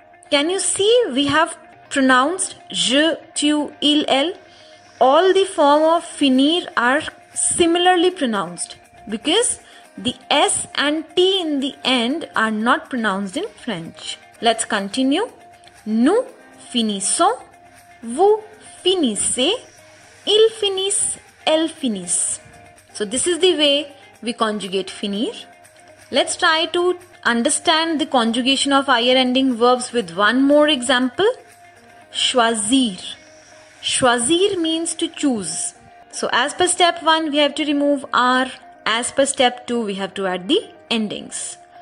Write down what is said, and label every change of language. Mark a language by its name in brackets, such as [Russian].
[English] Can you see we have pronounced je, tu, il, el? All the form of finir are similarly pronounced because the s and t in the end are not pronounced in French. Let's continue. [French] Nous finissons, vous finissez, il finisse, elle finisse. [English] So this is the way we conjugate finir. Let's try to understand the conjugation of IR ending verbs with one more example. Choisir. Choisir means to choose. So as per step 1, we have to remove R. As per step 2, we have to add the endings.